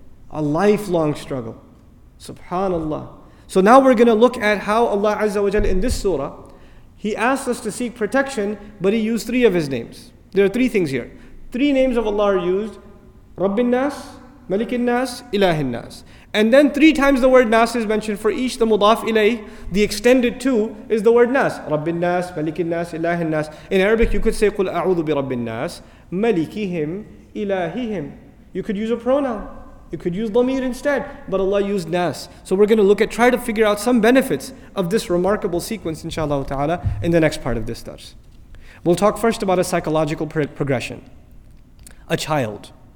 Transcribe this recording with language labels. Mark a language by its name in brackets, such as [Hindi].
[English] A lifelong struggle. Subhanallah. So now we're going to look at how Allah Azza wa Jalla in this surah, He asked us to seek protection, but He used three of His names. There are three things here. Three names of Allah are used. Rabbin Nas, Malikin Nas, Ilahin Nas. And then three times the word Nas is mentioned for each, the mudaf ilayh, the extended two, is the word Nas. Rabbin Nas, Malikin Nas, Ilahin Nas. In Arabic, you could say, [Arabic] قُلْ أَعُوذُ بِرَبِّ النَّاسِ مَلِكِهِمْ إِلَاهِهِمْ. [English] You could use a pronoun. You could use Dhamir instead. But Allah used Nas. So we're going to look at, try to figure out some benefits of this remarkable sequence, inshallah ta'ala, in the next part of this dars. We'll talk first about a psychological progression. A child.